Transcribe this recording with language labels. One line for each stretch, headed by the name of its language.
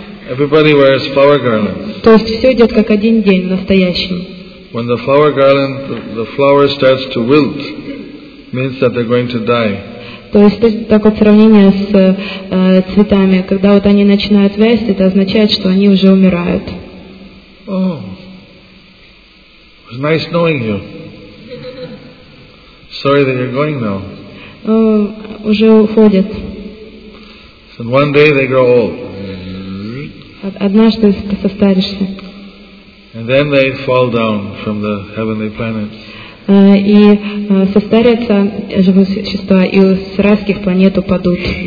English: Everybody wears flower garlands.
Russian: То есть все идет как один день в настоящем.
English: When the flower garland, the flower starts to wilt, means that they're going to die.
Russian: То есть так вот сравнение с цветами, когда вот они начинают вясть, это означает, что они уже умирают.
English: Oh, it was nice knowing you. Sorry that you're going now.
Russian: Уже уходят.
English: And one day they grow old.
Russian: Однажды ты состаришься.
English: And then they fall down from the heavenly planets.
Russian: И состарятся живые существа и с райских планет упадут.